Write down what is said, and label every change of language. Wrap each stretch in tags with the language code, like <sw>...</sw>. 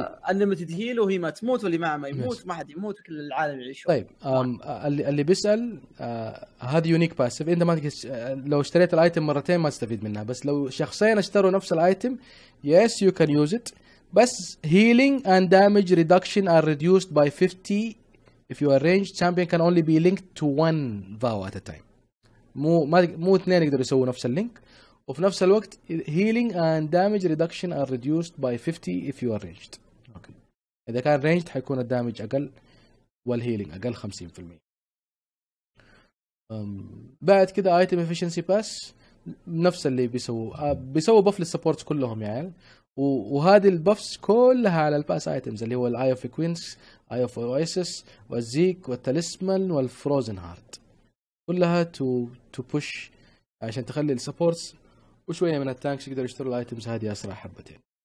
<en>Unlimited heal</en> <ar>وهي ما تموت واللي معه ما يموت ما حد يموت كل العالم يعيش. طيب اللي بيسأل هذه يونيك باسيف، انت ما لو اشتريت الايتم مرتين ما تستفيد منها، بس لو شخصين اشتروا نفس الايتم</ar> <en>yes you can use it، بس healing and damage reduction are reduced by 50 if you are ranged champion can only be linked to one vow at a time.</en> <ar>مو اثنين يقدروا يسووا نفس اللينك، وفي نفس الوقت</ar> <en>healing and damage reduction are reduced by 50 if you are ranged. Okay.</en> <ar>إذا كان ranged حيكون الدامج أقل والhealing أقل 50%. بعد كده item efficiency pass نفس اللي بيسووا buff للsupports كلهم يعني، وهذه البفز كلها على الباس ايتمز اللي هو الاي اوف كوينز اي اوف اويسس والزيك والتلسمن والفروزن هارت كلها تو بوش عشان تخلي السبورتس وشويه من التانكس يقدروا يشتروا الايتمز هذه اسرع حبتين.</ar>